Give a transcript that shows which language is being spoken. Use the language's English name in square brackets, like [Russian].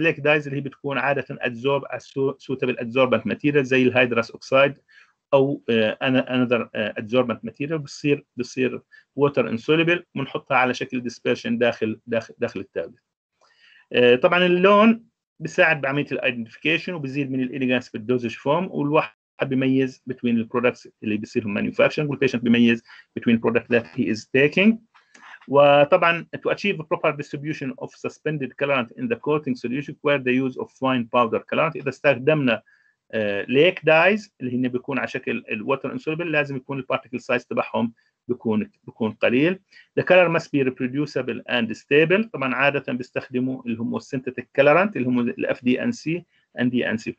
[Arabic] ليك دايز اللي هي بتكون عاده ادزورب سوتابل ادزوربنت ماتيريال زي الهيدروس اوكسايد او انذر ادزوربنت ماتيريال، بصير ووتر انسوليبل، بنحطها على شكل ديسبيرشن داخل التابلت. طبعا اللون بيساعد بعمليه الايدنتيفيكيشن وبيزيد من الاليجانس بالدوزج فورم، والواحد بيميز بين البرودكتس اللي بيصيرهم مانيفاكتشرنج، والبيشنت بيميز بين البرودكت [English] That he is taking. وطبعا to achieve a proper distribution of suspended colorant in the coating solution where the use of fine powder colorant. [Arabic] إذا استخدمنا lake dyes اللي هنا بيكون على شكل water insoluble لازم يكون particle size تبعهم بيكون قليل. [English] The color must be reproducible and stable. [Arabic] طبعا عادة بيستخدموا اللي هم synthetic colorant اللي هم FDNC and DNC.